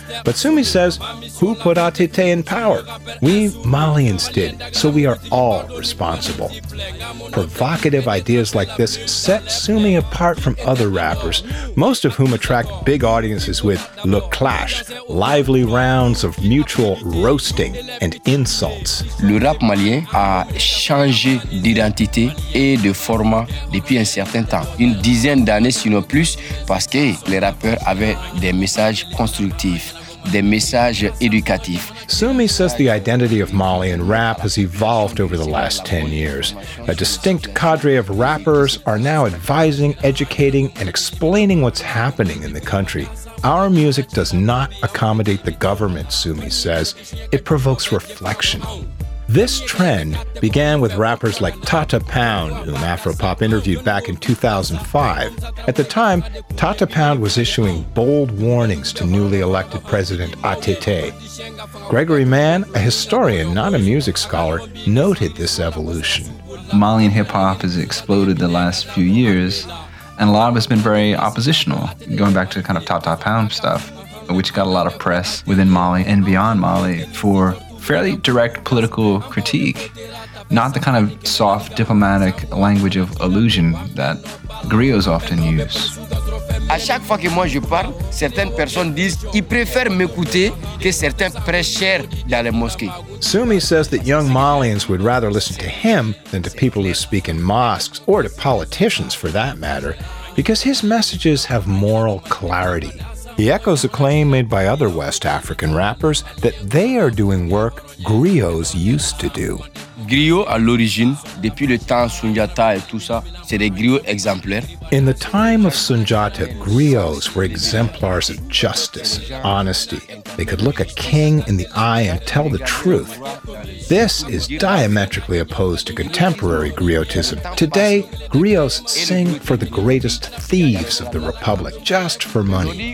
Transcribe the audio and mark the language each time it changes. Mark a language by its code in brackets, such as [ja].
[en] But Sumi says, who put ATT in power? We Malians did, so we are all responsible. Provocative ideas like this set Sumi apart from other rappers, most of whom attract big audiences with Le Clash, lively rounds of mutual roasting and insults. [fr] Le rap malien a changé d'identité et de format depuis un certain temps, une dizaine d'années sinon plus, parce que les rappeurs avaient des messages constructifs, des messages éducatifs. [en] Sumi says the identity of Malian rap has evolved over the last 10 years. A distinct cadre of rappers are now advising, educating, and explaining what's happening in the country. Our music does not accommodate the government, Sumi says. It provokes reflection. This trend began with rappers like Tata Pound, whom Afropop interviewed back in 2005. At the time, Tata Pound was issuing bold warnings to newly elected President ATT. Gregory Mann, a historian, not a music scholar, noted this evolution. Malian hip-hop has exploded the last few years, and a lot of it's been very oppositional, going back to kind of Tata Pound stuff, which got a lot of press within Mali and beyond Mali for fairly direct political critique, not the kind of soft diplomatic language of allusion that griots often use. [fr] À chaque fois que moi je parle, certaines personnes disent ils préfèrent m'écouter que certains prêcheurs dans les mosquées. [en] Sumi says that young Malians would rather listen to him than to people who speak in mosques or to politicians for that matter, because his messages have moral clarity. He echoes a claim made by other West African rappers that they are doing work griots used to do. [fr] Griots à l'origine, depuis le temps Sundiata et tout ça, c'est des griots exemplaires. [en] In the time of Sundiata, griots were exemplars of justice, honesty. They could look a king in the eye and tell the truth. This is diametrically opposed to contemporary griotism. Today, griots sing for the greatest thieves of the republic, just for money.